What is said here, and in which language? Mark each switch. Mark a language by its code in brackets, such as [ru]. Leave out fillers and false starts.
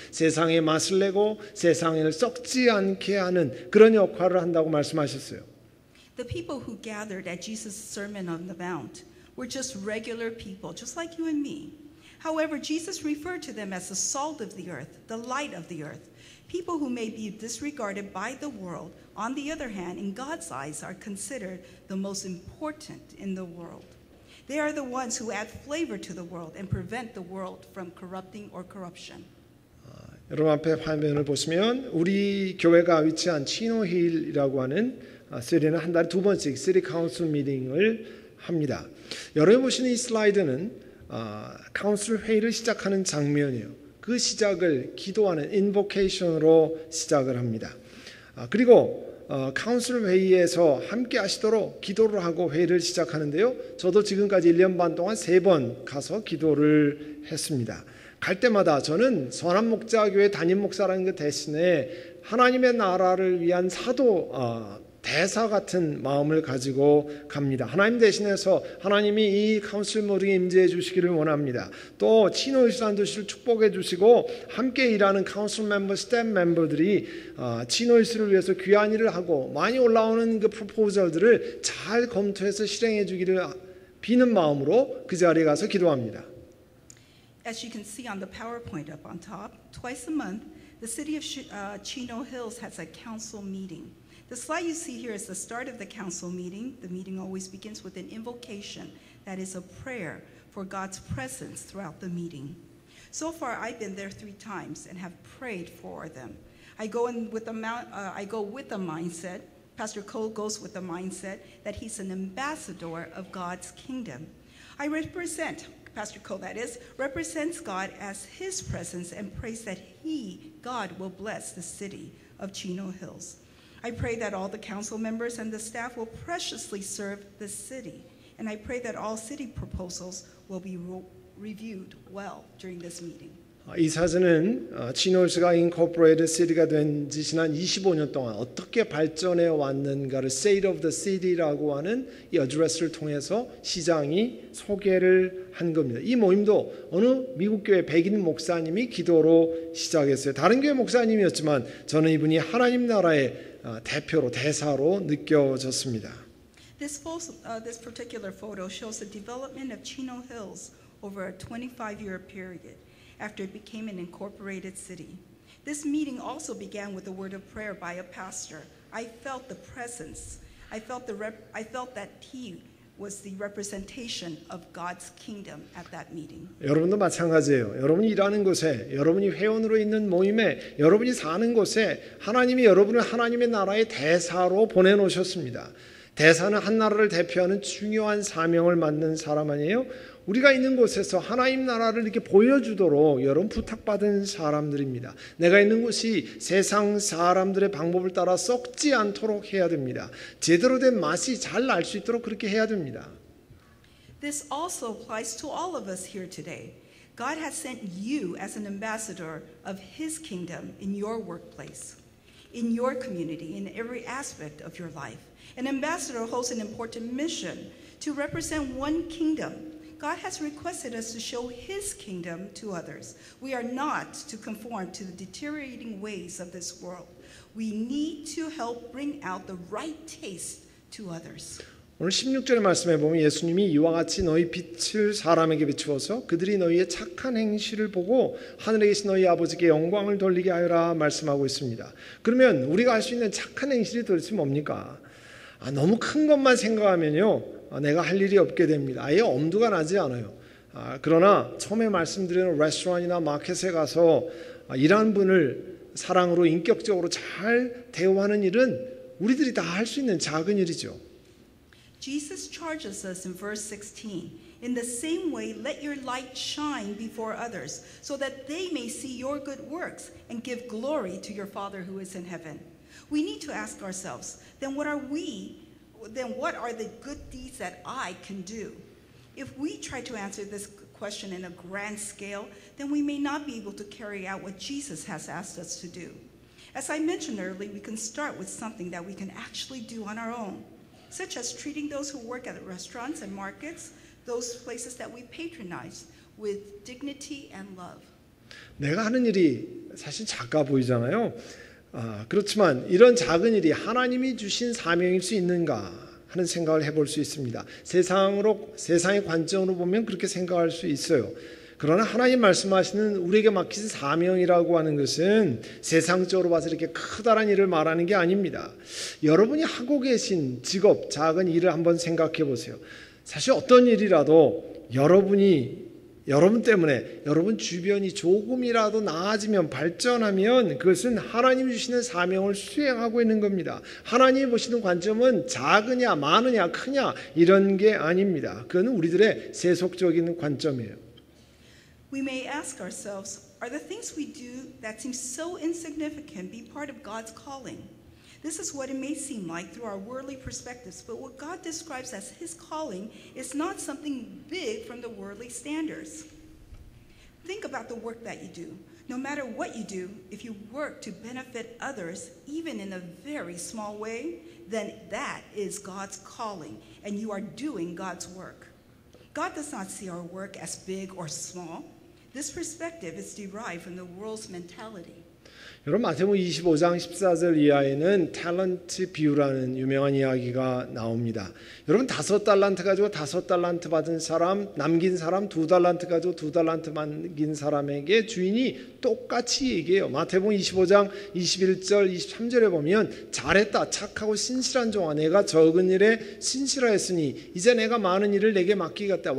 [ko] 세상에 맛을 내고 세상을 썩지 않게 하는 그런 역할을 한다고 말씀하셨어요. [en] The people who gathered at Jesus' Sermon on the Mount were just regular people, just like you and me. However, Jesus referred to them as the salt of the earth, the light of the earth. People who may be disregarded by the world, on the other hand, in God's eyes, are considered the most important in the world. They are the ones who add flavor to the world and prevent the world from corrupting or corruption. [ko] 여러분 앞에 화면을 보시면 우리 교회가 위치한 치노힐이라고 하는 시리는 한 달에 두 번씩 시리 카운슬 미팅을 합니다. 여러분 보시는 이 슬라이드는 카운슬 회의를 시작하는 장면이에요. 그 시작을 기도하는 인보케이션으로 시작을 합니다. 그리고 카운슬 회의에서 함께 하시도록 기도를 하고 회의를 시작하는데요. 저도 지금까지 1년 반 동안 세 번 가서 기도를 했습니다. 갈 때마다 저는 선한 목자교회 담임 목사라는 것 대신에 하나님의 나라를 위한 사도 대사 같은 마음을 가지고 갑니다. 하나님 대신해서 하나님이 이 카운슬 모딩에 임재해 주시기를 원합니다. 또 치노일산 도시를 축복해 주시고 함께 일하는 카운슬 멤버, 스텝 멤버들이 치노일스를 위해서 귀한 일을 하고 많이 올라오는 그 프로포절들을 잘 검토해서 실행해 주기를 비는 마음으로 그 자리에 가서 기도합니다. [en] As you can see on the PowerPoint up on top, twice a month, the city of Chino Hills has a council meeting. The slide you see here is the start of the council meeting. The meeting always begins with an invocation, that is a prayer for God's presence throughout the meeting. So far, I've been there three times and have prayed for them. I go with a mindset. Pastor Cole goes with a mindset that he's an ambassador of God's kingdom. I represent, Pastor Cole that is, represents God as his presence and prays that he, God, will bless the city of Chino Hills. I pray that all the council members and the staff will preciously serve the city. And I pray that all city proposals will be reviewed well during this meeting. [ko] 이 사진은 치노힐스가 인코퍼레이트 시티가 된 지 지난 25년 동안 어떻게 발전해 왔는가를 State of the City라고 하는 이 어드레스를 통해서 시장이 소개를 한 겁니다. 이 모임도 어느 미국 교회 백인 목사님이 기도로 시작했어요. 다른 교회 목사님이었지만 저는 이분이 하나님 나라의 대표로 대사로 느껴졌습니다. [en] This particular photo shows the development of Chino Hills over a 25-year period after it became an incorporated city. This meeting also began with a word of prayer by a pastor. I felt the presence. I felt that he was the representation of God's kingdom at that meeting. [ko] 여러분도 마찬가지예요. 여러분이 일하는 곳에, 여러분이 회원으로 있는 모임에, 여러분이 사는 곳에 하나님이 여러분을 하나님의 나라의 대사로 보내 놓으셨습니다. 대사는 한 나라를 대표하는 중요한 사명을 맡는 사람 아니에요? 우리가 있는 곳에서 하나님 나라를 이렇게 보여주도록 여러분 부탁받은 사람들입니다. 내가 있는 곳이 세상 사람들의 방법을 따라 썩지 않도록 해야 됩니다. 제대로 된 맛이 잘 날 수 있도록 그렇게 해야 됩니다. [en] This also applies to all of us here today. God has sent you as an ambassador of his kingdom in your workplace, in your community, in every aspect of your life. An ambassador holds an important mission to represent one kingdom. God has requested us to show his kingdom to others. We are not to conform to the deteriorating ways of this world. We need to help bring out the right taste to others. [ko] 오늘 16절의 말씀에 보면 예수님이 이와 같이 너희 빛을 사람에게 비추어서 그들이 너희의 착한 행실을 보고 하늘에 계신 너희 아버지께 영광을 돌리게 하여라 말씀하고 있습니다. 그러면 우리가 할 수 있는 착한 행실이 도대체 뭡니까? 아, 너무 큰 것만 생각하면요 내가 할 일이 없게 됩니다. 아예 엄두가 나지 않아요. 아, 그러나 처음에 말씀드린 레스토랑이나 마켓에 가서 일하는 분을 사랑으로 인격적으로 잘 대우하는 일은 우리들이 다 할 수 있는 작은 일이죠. [en] Jesus charges us in verse 16, in the same way, let your light shine before others so that they may see your good works and give glory to your Father who is in heaven. We need to ask ourselves, then what are the good deeds that I can do? If we try to answer this question in a grand scale, then we may not be able to carry out what Jesus has asked us to do. As I mentioned earlier, we can start with something that we can actually do on our own. Such as treating those who work at restaurants and markets, those places that we patronize with dignity and love. [ko] 내가 하는 일이 사실 작아 보이잖아요. 아, 그렇지만 이런 작은 일이 하나님이 주신 사명일 수 있는가 하는 생각을 해볼 수 있습니다. 세상의 관점으로 보면 그렇게 생각할 수 있어요. 그러나 하나님 말씀하시는 우리에게 맡기신 사명이라고 하는 것은 세상적으로 봐서 이렇게 커다란 일을 말하는 게 아닙니다. 여러분이 하고 계신 직업, 작은 일을 한번 생각해 보세요. 사실 어떤 일이라도 여러분 때문에 여러분 주변이 조금이라도 나아지면 발전하면 그것은 하나님 주시는 사명을 수행하고 있는 겁니다. 하나님 보시는 관점은 작으냐 많으냐 크냐 이런 게 아닙니다. 그건 우리들의 세속적인 관점이에요. [en] We may ask ourselves, are the things we do that seem so insignificant be part of God's calling? This is what it may seem like through our worldly perspectives, but what God describes as his calling is not something big from the worldly standards. Think about the work that you do. No matter what you do, if you work to benefit others, even in a very small way, then that is God's calling, and you are doing God's work. God does not see our work as big or small. This perspective is derived from the world's mentality. [ko] 여러분 마태복음 25장 14절 이하에는 탤런트 비유라는 유명한 이야기가 나옵니다. 여러분 5달란트 받은 사람, 남긴 사람 2달란트 가지고 2달란트 남긴 사람에게 주인이 똑같이 얘기해요. 마태복음 25장 21절 23절에 보면 잘했다, 착하고 신실한 종아, 내가 적은 일에 신실하였으니 이제 내가 많은 일을 내게 맡기겠다.